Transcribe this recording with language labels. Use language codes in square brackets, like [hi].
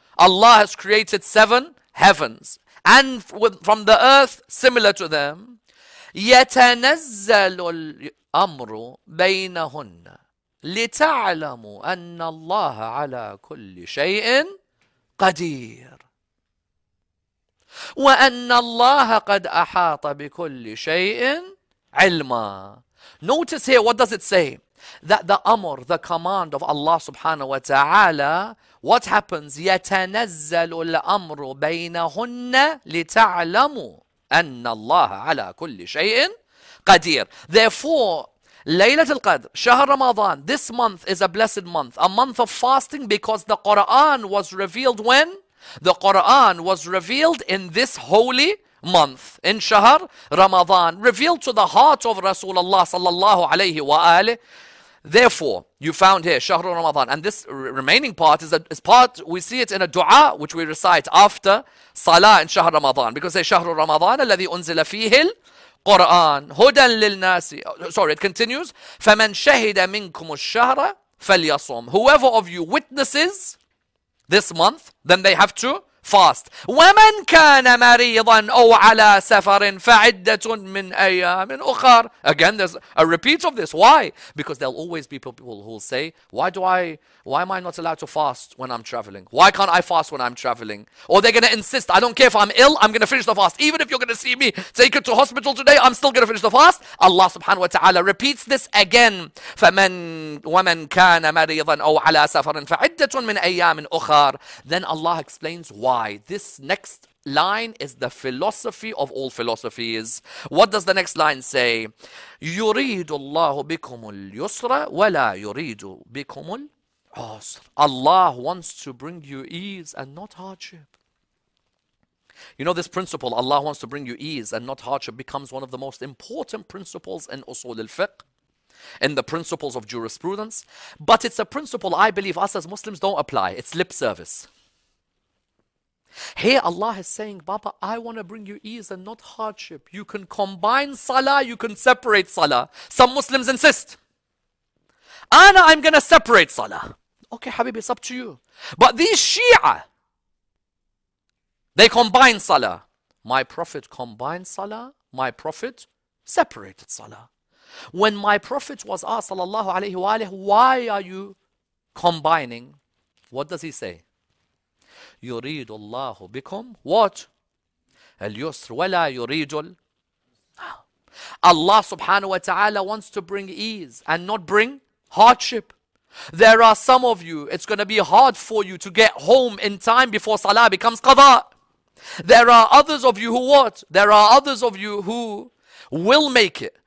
[en] Allah has created seven heavens and from the earth similar to them. [ar] يتنزل الأمر بينهن لتعلموا أن الله على كل شيء قدير وأن الله قد أحاط بكل شيء علما. [en] Notice here, what does it say? That the Amr, the command of Allah subhanahu wa ta'ala, what happens? [ar] يتنزل الأمر بينهن لتعلموا أن الله على كل شيء قدير. [en] Therefore, ليلة القدر, شهر رمضان, this month is a blessed month, a month of fasting, because the Quran was revealed when? The Quran was revealed in this holy month, in شهر رمضان, revealed to the heart of Rasulullah صلى الله عليه وآله. Therefore, you found here, [ar] شهر رمضان, and this remaining part is part, we see it in a dua, which we recite after salah in شهر رمضان, because it's شهر رمضان الذي أنزل فيه القرآن, هدى للناس, [en] sorry, it continues, [ar] فمن شهد منكم الشهر فليصوم. [en] Whoever of you witnesses this month, then they have to fast. [ar] ومن كان مريضا أو على سفر فعدة من أيام أخر. [en] Again, there's a repeat of this. Why? Because there'll always be people who'll say, why am I not allowed to fast when I'm traveling? Why can't I fast when I'm traveling? Or they're going to insist, I don't care if I'm ill, I'm going to finish the fast. Even if you're going to see me take it to hospital today, I'm still going to finish the fast. Allah subhanahu wa ta'ala repeats this again. [ar] ومن كان مريضا أو على سفر فعدة من أيام أخر. [en] Then Allah explains why. This next line is the philosophy of all philosophies. What does the next line say? [ar] يريد الله بكم اليسر ولا يريد بكم العسر. [en] Allah wants to bring you ease and not hardship. You know this principle, Allah wants to bring you ease and not hardship, becomes one of the most important principles in usul al-fiqh, in the principles of jurisprudence. But it's a principle I believe us as Muslims don't apply. It's lip service. Here Allah is saying, Baba, I want to bring you ease and not hardship. You can combine salah, you can separate salah. Some Muslims insist, Ana, I'm going to separate salah. Okay, Habibi, it's up to you. But these Shia, they combine salah. My Prophet combined salah, my Prophet separated salah. When my Prophet was asked, sallallahu alayhi wa alayhi, why are you combining? What does he say? [ar] يريد الله بكم [en] what [ar] اليسر ولا يريد ال... [en] Allah subhanahu wa ta'ala wants to bring ease and not bring hardship. There are some of you, it's going to be hard for you to get home in time before salah becomes qada. There are others of you who what? There are others of you who will make it.